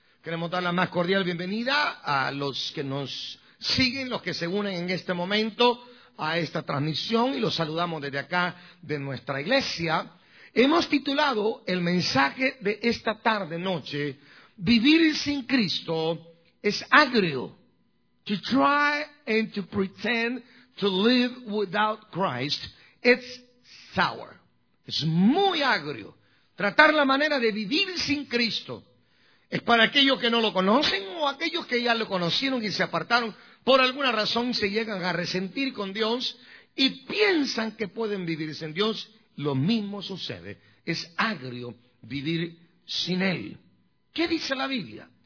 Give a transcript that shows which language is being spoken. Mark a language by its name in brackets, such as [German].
[Spanish] Queremos dar la más cordial bienvenida a los que nos siguen, los que se unen en este momento a esta transmisión, y los saludamos desde acá de nuestra iglesia. Hemos titulado el mensaje de esta tarde, noche, Vivir sin Cristo es agrio. [English] To try and to pretend to live without Christ, it's sour. [Spanish] Es muy agrio. Tratar la manera de vivir sin Cristo es para aquellos que no lo conocen, o aquellos que ya lo conocieron y se apartaron, por alguna razón se llegan a resentir con Dios y piensan que pueden vivir sin Dios. Lo mismo sucede. Es agrio vivir sin Él. ¿Qué dice la Biblia?